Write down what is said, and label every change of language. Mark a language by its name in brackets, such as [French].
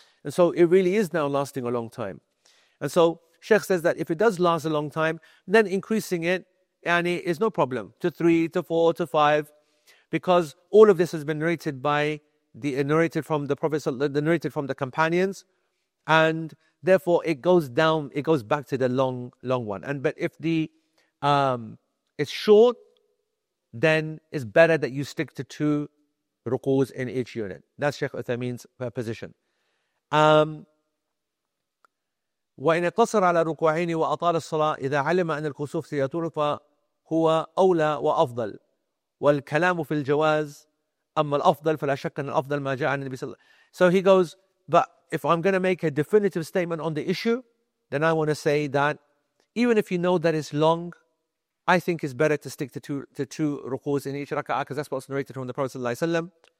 [English] And so it really is now lasting a long time. And so Sheikh says that if it does last a long time, then increasing it, and it is no problem, to three, to four, to five, because all of this has been narrated by the companions, and therefore it goes down, it goes back to the long, long one. And but if the it's short, then it's better that you stick to two ruku's in each unit. That's Sheikh Uthaymeen's position. [Arabic] وإن قصر على ركوعين وأطال الصلاة إذا علم أن الكسوف سيطول فهو أولى وأفضل والكلام في الجواز. [English] So he goes, but if I'm going to make a definitive statement on the issue, then I want to say that even if you know that it's long, I think it's better to stick to two ruku's in each raka'ah, because that's what's narrated from the Prophet ﷺ.